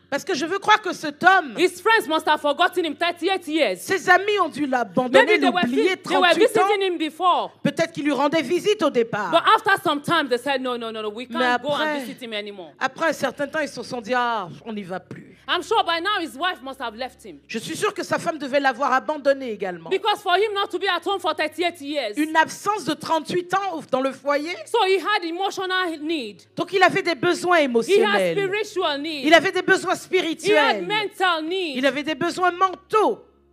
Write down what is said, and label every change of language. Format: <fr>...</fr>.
<fr>parce que je veux croire que cet homme,</fr> <en>his friends must have forgotten him 38 years.</en> <fr>Ses amis ont dû l'abandonner, l'oublier 38</fr> <en>ans. Him before.</en> <fr>Peut-être qu'ils lui rendaient visite au départ.</fr> <en>But after some time, they said, no, we can't go and visit him anymore.</en> <fr>Après un certain temps, ils se sont dit, ah, on n'y va plus.</fr> <en>I'm sure by now his wife must have left him.</en> <fr>Je suis sûr que sa femme devait l'avoir abandonné également.</fr> <en>Because for him not to be at home for 38 years.</en> <fr>Une absence de 38 ans dans le foyer.</fr> <en>So he had emotional need.</en> <fr>Donc il avait des besoins émotionnels.</fr> <en>He had spiritual need.</en> <fr>Il avait des besoins spirituels.</fr> <en>He had mental need.</en> <fr>Il avait des besoins mentaux.</fr>